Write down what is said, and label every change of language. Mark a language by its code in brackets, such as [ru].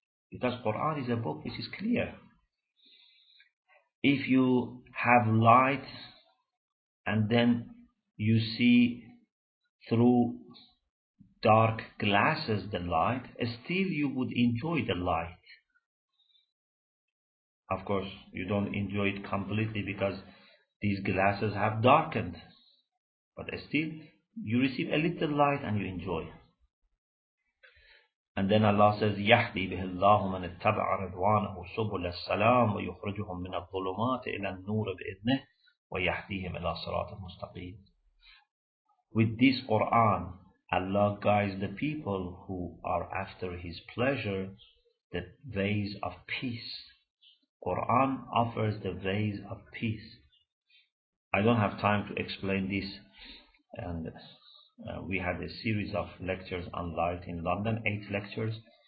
[en] Because Quran is a book which is clear. If you have light and then you see through dark glasses the light, still you would enjoy the light. Of course, you don't enjoy it completely because these glasses have darkened. But still, you receive a little light and you enjoy. And then Allah says, [ar] يَحْدِي بِهِ اللَّهُ مَنِ اتَّبَعَ رَضْوَانَهُ سُبُلَ السَّلَامُ وَيُخْرِجُهُمْ مِنَ الظُّلُمَاتِ إِلَى النُّورِ بِإِذْنِهِ وَيَحْدِيهِمْ إِلَى صِرَاطٍ مُسْتَقِيمٍ. [en] With this Quran, Allah guides the people who are after His pleasure the ways of peace. Quran offers the ways of peace. I don't have time to explain this, and we had a series of lectures on light in London, 8 lectures.